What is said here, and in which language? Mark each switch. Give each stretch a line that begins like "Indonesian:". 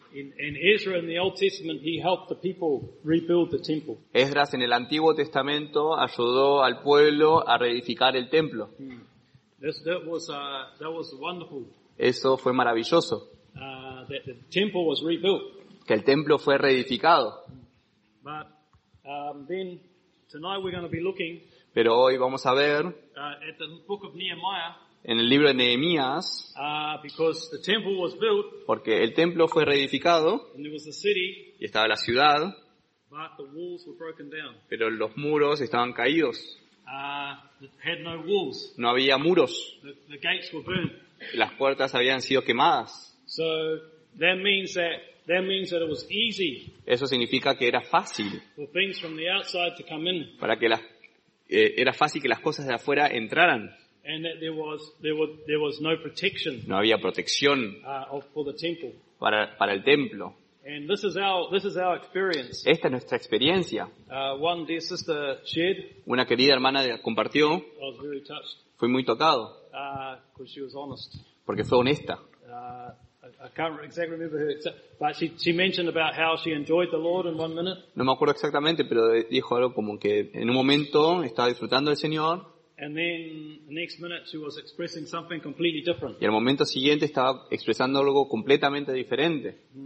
English: In Ezra in the Old Testament, he helped the people rebuild the temple.
Spanish: Esdras en el Antiguo Testamento ayudó al pueblo a reedificar el templo.
English: That was wonderful.
Spanish: Eso fue maravilloso.
English: That the temple was rebuilt.
Spanish: Que el templo fue reedificado.
English: But then tonight we're going to be looking.
Spanish: Pero hoy vamos a ver
English: at the book of Nehemiah,
Spanish: en el libro de Nehemías
English: because the temple was built,
Spanish: porque el templo fue reedificado
English: and there was a city,
Spanish: y estaba la ciudad
English: but the walls were broken down.
Spanish: Pero los muros estaban caídos.
English: Had no walls.
Spanish: No había muros.
English: The gates were burnt.
Spanish: las puertas habían sido quemadas.
English: So that means that it was easy.
Spanish: Eso significa que era fácil.
English: For things from the outside to come in.
Spanish: Para que era fácil que las cosas de afuera entraran.
English: And that there was no protection.
Spanish: No había protección.
English: For the temple.
Spanish: Para el templo.
English: And this is our experience.
Spanish: Esta es nuestra experiencia.
English: One dear sister shared.
Spanish: Una querida hermana compartió.
English: I was very touched.
Spanish: Fui muy tocado.
English: Because she was honest.
Spanish: Porque fue honesta.
English: I can't exactly remember her, but she mentioned about how she enjoyed the Lord in 1 minute.
Spanish: No me acuerdo exactamente, pero dijo algo como que en un momento estaba disfrutando del Señor.
English: And then the next minute she was expressing something completely different.
Spanish: Y al momento siguiente estaba expresando algo completamente diferente.